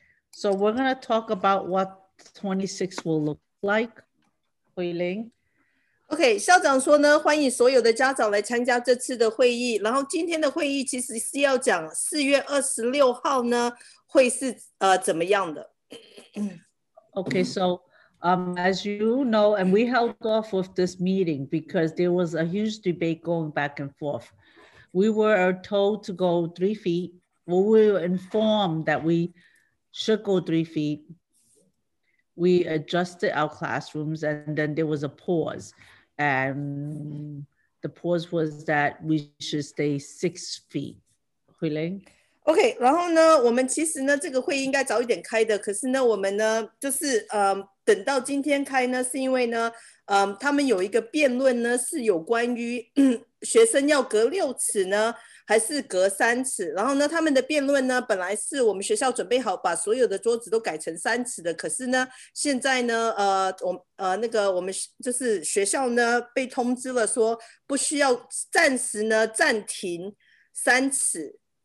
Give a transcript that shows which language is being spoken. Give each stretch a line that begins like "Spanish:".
English: So we're going to talk about what 26 will look like. Huiling.
Chinese: Okay, 校长说呢, 欢迎所有的家长来参加这次的会议, 然后今天的会议其实是要讲 4月26号呢, 会是, 怎么样的?
English: Okay, so as you know, and we held off with this meeting because there was a huge debate going back and forth. We were told to go 3 feet. Well, we were informed that we should go 3 feet. We adjusted our classrooms and then there was a pause. And the pause was that we should stay 6 feet. Huiling?
Chinese: Okay, 然后呢, 我们其实呢, 这个会应该早一点开的, 可是呢, 我们呢, 就是, 等到今天开呢, 是因为呢, 他们有一个辩论呢, 是有关于, 学生要隔6尺呢, 还是隔3尺, 然后呢, 他们的辩论呢, 本来是我们学校准备好, 把所有的桌子都改成3尺的, 可是呢, 现在呢, 我们就是学校呢, 被通知了说, 不需要暂时呢, 暂停3尺,